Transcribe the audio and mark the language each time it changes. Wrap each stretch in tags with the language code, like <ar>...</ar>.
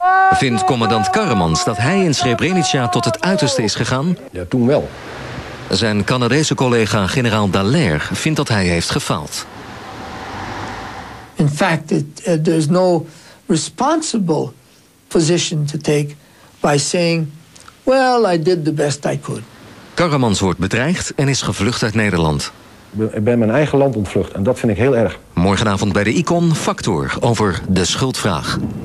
<nl>Vindt commandant Karremans dat hij in Srebrenica tot het uiterste is gegaan? Ja, toen wel. Zijn Canadese collega generaal Dallaire vindt dat hij heeft gefaald.</nl> <en>In fact, there's no responsible position to take by saying, well, I did the best I could.</en> <nl>Karremans wordt bedreigd en is gevlucht uit Nederland. Ik ben mijn eigen land ontvlucht en dat vind ik heel erg. Morgenavond bij de Icon Factor over de schuldvraag.</nl>